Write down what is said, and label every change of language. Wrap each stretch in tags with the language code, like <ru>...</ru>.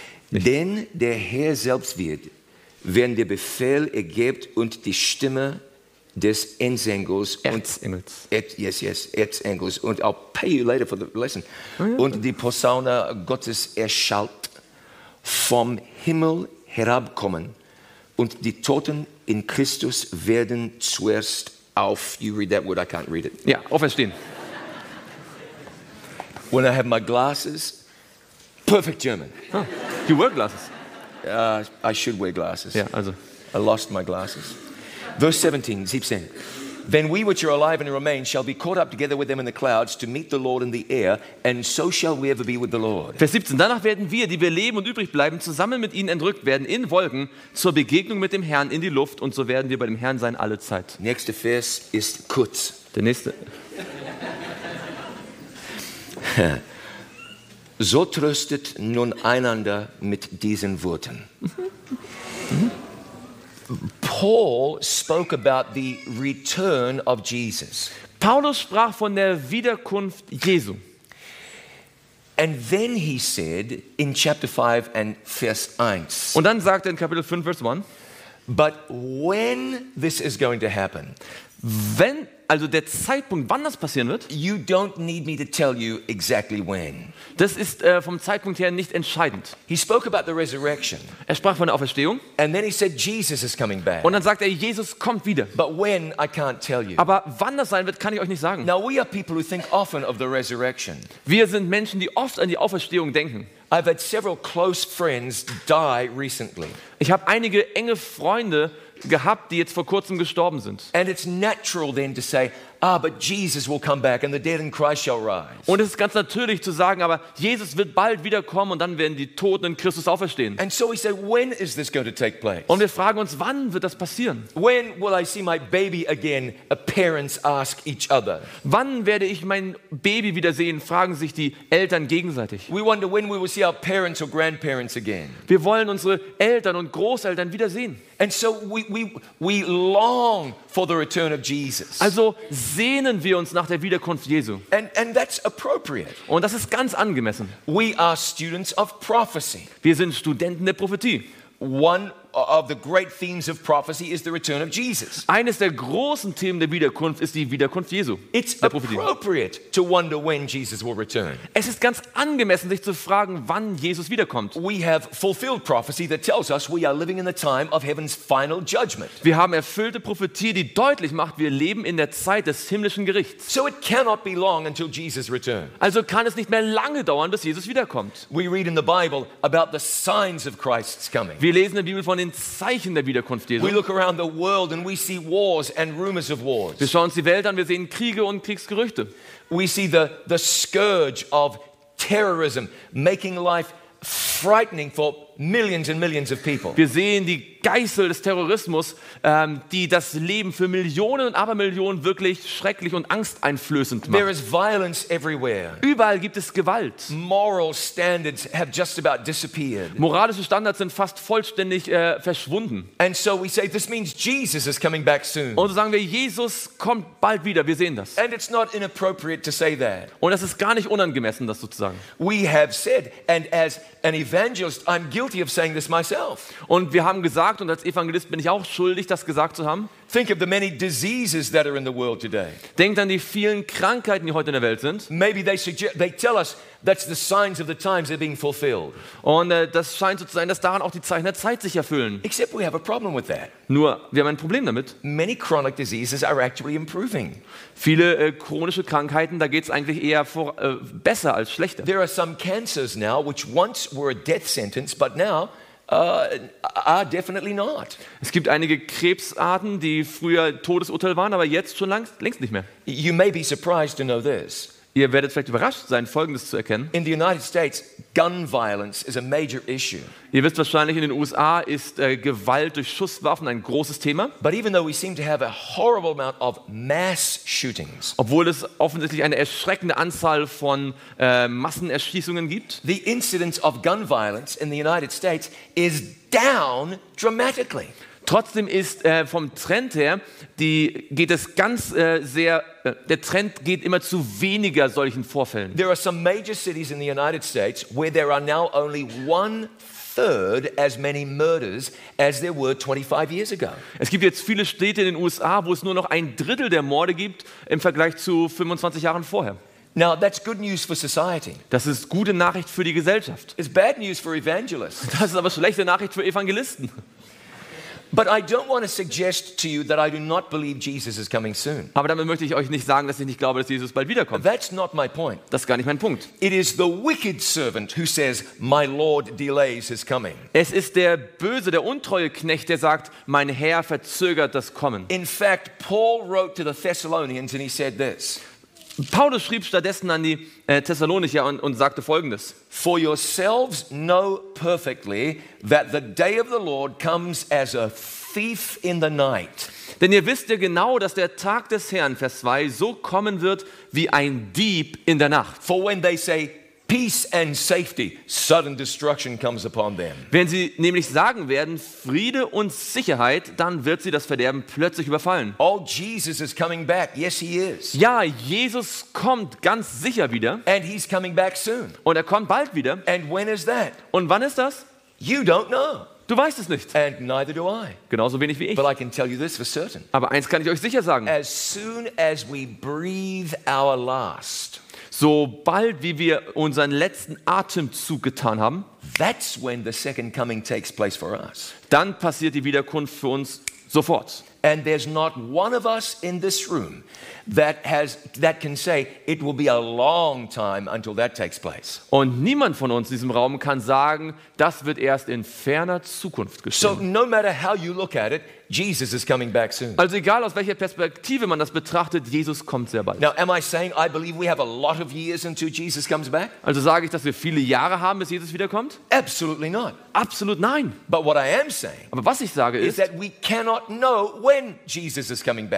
<de>Denn der Herr selbst wird, wenn der Befehl ergibt und die Stimme des Erzengels Erzengels und</de> <en>I'll pay you later for the lesson. Oh, yeah.</en> <de>Und die Posaune Gottes erschallt, vom Himmel herabkommen und die Toten in Christus werden zuerst auf,</de> <en>you read that word, I can't read it.</en> <de>Ja, auferstehen.</de> <en>When I have my glasses, perfect German. Oh, you wear glasses. I should wear glasses. Yeah, also. I lost my glasses. Verse 17. Then we which are alive and remain shall be caught up together with them in the clouds to meet the Lord in the air, and so shall we ever be with the Lord.</en> <de>Vers 17. Danach werden wir, die wir leben und übrig bleiben, zusammen mit ihnen entrückt werden in Wolken zur Begegnung mit dem Herrn in die Luft, und so werden wir bei dem Herrn sein alle Zeit. Nächster Vers ist kurz. Der nächste. So tröstet nun einander mit diesen Worten.</de> <en>Paul spoke about the return of Jesus.</en> <de>Paulus sprach von der Wiederkunft Jesu.</de> <en>And then he said in chapter 5 and verse 1.</en> <de>Und dann sagt er in Kapitel 5 Vers 1.</de> <en>But when this is going to happen?</en> <de>Wenn, also der Zeitpunkt, wann das passieren wird?</de> <en>You don't need me to tell you exactly when.</en> <de>Das ist vom Zeitpunkt her nicht entscheidend.</de> <en>He spoke about the resurrection.</en> <de>Er sprach von der Auferstehung.</de> <en>And then he said Jesus is coming back.</en> <de>Und dann sagt er, Jesus kommt wieder.</de> <en>But when, I can't tell you.</en> <de>Aber wann das sein wird, kann ich euch nicht sagen.</de> <en>Now we are people who think often of the resurrection.</en> <de>Wir sind Menschen, die oft an die Auferstehung denken.</de> <en>I've had several close friends die recently.</en> <de>Ich habe einige enge Freunde gehabt, die jetzt vor kurzem gestorben sind.</de> <en>And it's natural then to say, ah, but Jesus will come back and the dead in Christ shall rise.</en> <de>Und es ist ganz natürlich zu sagen, aber Jesus wird bald wiederkommen und dann werden die Toten in Christus auferstehen.</de> <en>And so we say, when is this going to take place?</en> <de>Und wir fragen uns, wann wird das passieren?</de> <en>When will I see my baby again? Parents ask each other.</en> <de>Wann werde ich mein Baby wiedersehen? Fragen sich die Eltern gegenseitig.</de> <en>We wonder when we will see our parents or grandparents again.</en> <de>Wir wollen unsere Eltern und Großeltern wiedersehen.</de> <en>And so we long for the return of Jesus.</en> <de>Also sehnen wir uns nach der Wiederkunft Jesu.</de> <en>And that's appropriate.</en> <de>Und das ist ganz angemessen.</de> <en>We are students of prophecy.</en> <de>Wir sind Studenten der Prophetie.</de> <en>One of the great themes of prophecy is the return of Jesus.</en> <de>Eines der großen Themen der Wiederkunft ist die Wiederkunft Jesu.</de> <en>It's appropriate to wonder when Jesus will return.</en> <de>Es ist ganz angemessen, sich zu fragen, wann Jesus wiederkommt.</de> <en>We have fulfilled prophecy that tells us we are living in the time of heaven's final judgment.</en> <de>Wir haben erfüllte Prophetie, die deutlich macht, wir leben in der Zeit des himmlischen Gerichts.</de> <en>So it cannot be long until Jesus returns.</en> <de>Also kann es nicht mehr lange dauern, bis Jesus wiederkommt.</de> <en>We read in the Bible about the signs of Christ's coming.</en> <de>Wir lesen in der Bibel von den Zeichen der Wiederkunft Jesu.</de> <en>We look around the world and we see wars and rumors of wars.</en> <de>Wir schauen uns die Welt an, wir sehen Kriege und Kriegsgerüchte.</de> <en>We see the scourge of terrorism making life frightening for millions and millions of people.</en> <de>Wir sehen die Geißel des Terrorismus, die das Leben für Millionen und Abermillionen wirklich schrecklich und angsteinflößend macht.</de> <en>There is violence everywhere.</en> <de>Überall gibt es Gewalt.</de> <en>Moral standards have just about disappeared.</en> <de>Moralische Standards sind fast vollständig verschwunden.</de> <en>And so we say, this means Jesus is coming back soon.</en> <de>Und so sagen wir, Jesus kommt bald wieder. Wir sehen das.</de> <en>And it's not inappropriate to say that.</en> <de>Und es ist gar nicht unangemessen, das so zu sagen.</de> <en>We have said, and as an evangelist, I'm guilty of saying this myself.</en> <de>Und wir haben gesagt, und als Evangelist bin ich auch schuldig, das gesagt zu haben.</de> <en>Think of the many diseases that are in the world today.</en> <de>Denkt an die vielen Krankheiten, die heute in der Welt sind.</de> <en>Maybe they tell us that's the signs of the times are being fulfilled.</en> <de>Und das scheint so zu sein, dass daran auch die Zeichen der Zeit sich erfüllen.</de> <en>Except we have a problem with that.</en> <de>Nur wir haben ein Problem damit.</de> <en>Many chronic diseases are actually improving.</en> <de>Viele chronische Krankheiten, da geht's eigentlich eher vor besser als schlechter.</de> <en>There are some cancers now which once were a death sentence, but now are definitely not.</en> <de>Es gibt einige Krebsarten, die früher Todesurteil waren, aber jetzt schon längst nicht mehr.</de> <en>You may be surprised to know this.</en> <de>Ihr werdet vielleicht überrascht sein, Folgendes zu erkennen.</de> <en>In the United States, gun violence is a major issue.</en> <de>Ihr wisst wahrscheinlich, in den USA ist Gewalt durch Schusswaffen ein großes Thema.</de> <en>But even though we seem to have a horrible amount of mass shootings,</en> <de>obwohl es offensichtlich eine erschreckende Anzahl von Massenerschießungen gibt,</de> <en>the incidence of gun violence in the United States is down dramatically.</en> <de>Trotzdem ist vom Trend her, der Trend geht immer zu weniger solchen Vorfällen.</de> <en>There are some major cities in the United States where there are now only 1/3 as many murders as there were 25 years ago.</en> <de>Es gibt jetzt viele Städte in den USA, wo es nur noch ein Drittel der Morde gibt im Vergleich zu 25 Jahren vorher.</de> <en>Now that's good news for society.</en> <de>Das ist gute Nachricht für die Gesellschaft.</de> <en>It's bad news for evangelists.</en> <de>Das ist aber schlechte Nachricht für Evangelisten.</de> <en>But I don't want to suggest to you that I do not believe Jesus is coming soon.</en> <de>Aber damit möchte ich euch nicht sagen, dass ich nicht glaube, dass Jesus bald wiederkommt.</de> <en>That's not my point.</en> <de>Das ist gar nicht mein Punkt.</de> <en>It is the wicked servant who says, "My Lord delays his coming."</en> <de>Es ist der böse, der untreue Knecht, der sagt, mein Herr verzögert das Kommen.</de> <en>In fact, Paul wrote to the Thessalonians and he said this.</en> <de>Paulus schrieb stattdessen an die Thessalonicher und sagte Folgendes:</de> <en>For yourselves know perfectly that the day of the Lord comes as a thief in the night.</en> <de>Denn ihr wisst ja genau, dass der Tag des Herrn, Vers 2, so kommen wird wie ein Dieb in der Nacht.</de> <en>For when they say peace and safety, sudden destruction comes upon them.</en> <de>Wenn sie nämlich sagen werden Friede und Sicherheit, dann wird sie das Verderben plötzlich überfallen.</de> <en>Oh, Jesus is coming back. Yes, he is.</en> <de>Ja, Jesus kommt ganz sicher wieder.</de> <en>And he's coming back soon.</en> <de>Und er kommt bald wieder.</de> <en>And when is that?</en> <de>Und wann ist das?</de> <en>You don't know.</en> <de>Du weißt es nicht.</de> <en>And neither do I.</en> <de>Genauso wenig wie ich.</de> <en>But I can tell you this for certain.</en> <de>Aber eins kann ich euch sicher sagen.</de> <en>As soon as we breathe our last.</en> <de>Sobald wie wir unseren letzten Atemzug getan haben,</de> <en>that's when the second coming takes place for us.</en> <de>Dann passiert die Wiederkunft für uns sofort.</de> <en>And there's not one of us in this room that can say it will be a long time until that takes place.</en> <de>Und niemand von uns in diesem Raum kann sagen, das wird erst in ferner Zukunft geschehen.</de> <en>So no matter how you look at it, Jesus is coming back soon.</en> <de>Also egal aus welcher Perspektive man das betrachtet, Jesus kommt sehr bald.</de> <en>Now am I saying I believe we have a lot of years until Jesus comes back?</en> <de>Also sage ich, dass wir viele Jahre haben, bis Jesus wiederkommt?</de> <en>Absolutely not.</en> <de>Absolut nein.</de> <en>But what I am saying,</en> <de>aber was ich sage ist,</de> <en>is that we cannot know when Jesus is coming back.</en>